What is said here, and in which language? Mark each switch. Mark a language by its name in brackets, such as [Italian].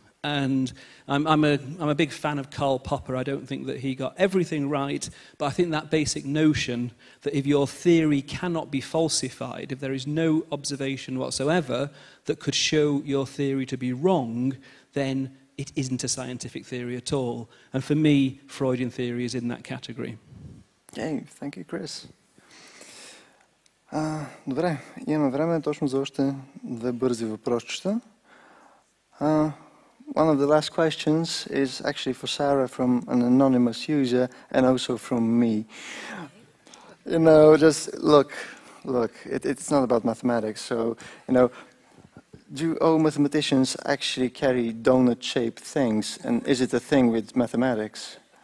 [English] And I'm a big fan of Karl Popper. I don't think that he got everything right, but I think that basic notion that if your theory cannot be falsified, if there is no observation whatsoever that could show your theory to be wrong, then it isn't a scientific theory at all. And for me, Freudian theory is in that category. Okay, thank you, Chris. [Bulgarian] Добре, имаме време точно за още две бързи въпросчета. [English] One of the last questions is actually for Sarah from an anonymous user and also from me. You know, just look, it's not about mathematics, so, you know, do all mathematicians actually carry donut-shaped things, and is it a thing with mathematics?